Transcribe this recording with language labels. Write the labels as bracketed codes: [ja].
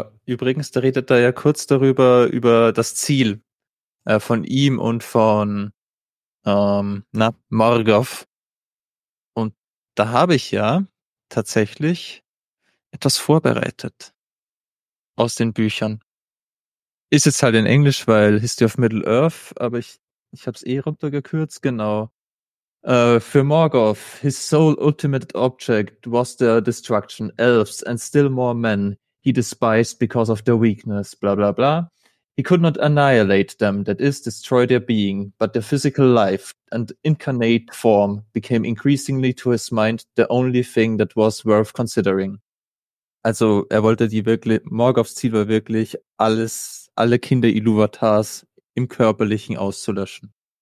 [de] Übrigens, da redet er ja kurz darüber, über das Ziel von ihm und von Morgoth. Und da habe ich ja tatsächlich etwas vorbereitet aus den Büchern. Ist jetzt halt in Englisch, weil History of Middle-Earth, aber ich habe es eh runtergekürzt, genau. [en] Für Morgoth, his sole ultimate object was their destruction, elves and still more men he despised because of their weakness, bla bla bla. He could not annihilate them, that is, destroy their being, but their physical life and incarnate form became increasingly to his mind the only thing that was worth considering. [de] Also, er wollte die wirklich, Morgoths Ziel war wirklich, alle Kinder Iluvatars im Körperlichen auszulöschen.